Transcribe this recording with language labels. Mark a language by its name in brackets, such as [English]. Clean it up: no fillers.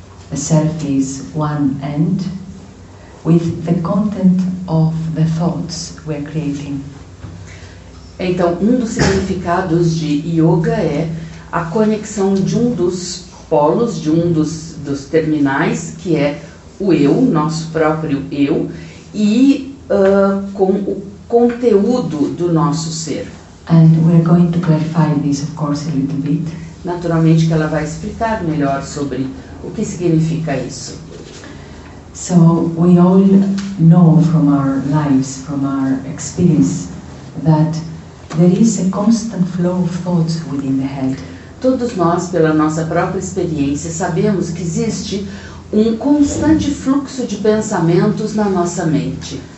[English] The self is one end with the content of the thoughts we are creating. [Portuguese] Então, um dos significados de yoga é a conexão de um dos polos, de um dos terminais, que é o eu, nosso próprio eu, e com o conteúdo do nosso ser. [English] And we are going to clarify this, of course, a little bit. [Portuguese] Naturalmente que ela vai explicar melhor sobre o que significa isso. [English] So, we all know from our lives, from our experience, that there is a constant flow of thoughts within the head. [Portuguese] Todos nós, pela nossa própria experiência, sabemos que existe um constante fluxo de pensamentos na nossa mente.